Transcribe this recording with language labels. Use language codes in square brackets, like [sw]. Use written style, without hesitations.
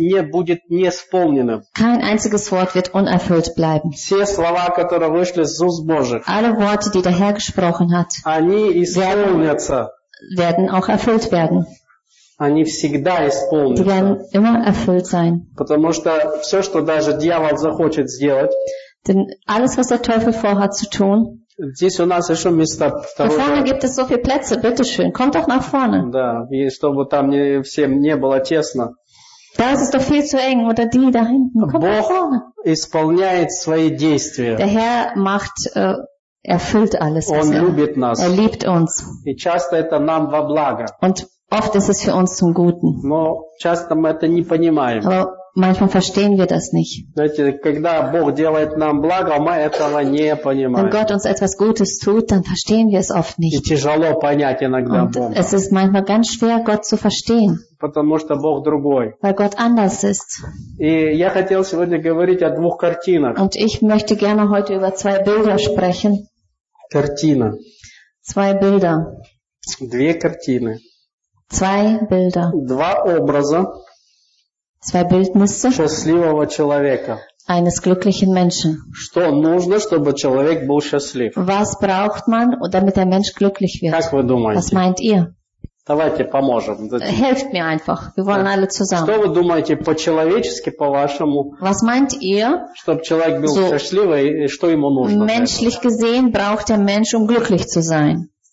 [de] Kein einziges Wort wird unerfüllt bleiben. Alle Worte, die der Herr gesprochen hat, werden auch erfüllt werden. [ru] Они всегда исполнятся. [de] Die werden immer erfüllt sein. [ru] Потому что все, что даже дьявол захочет сделать, [de] denn alles, was der Teufel vorhat zu tun, [ru] здесь у нас еще места второго. [de] Vorne gibt es so viele Plätze, bitte schön, komm doch nach vorne. [ru] Да, и чтобы там не всем не было тесно. [de] Da ist es doch viel zu eng, oder die da hinten. Komm [ru] Бог [de] nach vorne. [ru] Исполняет свои действия. [de] Der Herr macht erfüllt alles. [ru] Он любит нас. [de] Er liebt uns. [ru] И часто это нам во благо. [de] Und oft ist es für uns zum Guten. [ru] Но часто мы это не понимаем. [de] Aber manchmal verstehen wir das nicht. [ru] Знаете, когда Бог делает нам благо, мы этого не понимаем. [de] Wenn Gott uns etwas Gutes tut, dann verstehen wir es oft nicht. [ru] И тяжело понять иногда Бога. [de] Es ist manchmal ganz schwer, Gott zu verstehen. [ru] Потому что Бог другой. [de] Weil Gott anders ist. [ru] И я хотел сегодня говорить о двух картинах. [de] Und ich möchte gerne heute über zwei Bilder sprechen. [ru] Картина. [de] Zwei Bilder. [ru] Две картины. [de] Zwei Bilder. [ru] Два образа. [de] Zwei Bildnisse [ru] счастливого человека. [de] Eines glücklichen Menschen. [ru] Что нужно, чтобы человек был счастлив? [de] Was braucht man, damit der Mensch glücklich wird? [ru] Как вы думаете? [de] Was meint ihr? [ru] Давайте поможем. [de] Helft mir einfach. Wir wollen alle zusammen. [ru] Что вы думаете по-человечески, по-вашему? [de] Was meint ihr? [ru] Чтобы человек был so счастливый, и что ему нужно? [de] Menschlich gesehen braucht der Mensch, glücklich zu sein.